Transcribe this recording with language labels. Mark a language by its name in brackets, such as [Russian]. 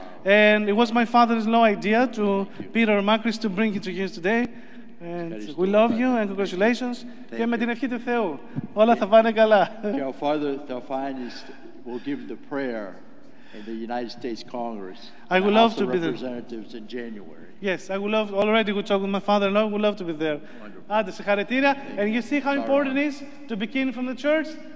[English] And it was my father-in-law idea to Peter Macris to bring it to you today. And we love you and congratulations. [Greek] Και με την ευχή του Θεού, όλα θα πάνε καλά. [English] Your father, the finest. Will give the prayer in the United States Congress. I would love to be there. Representatives in January. Yes, I would love. Already, we talked with my father-in-law. Would love to be there. Wonderful. And you see how important it is to begin from the church.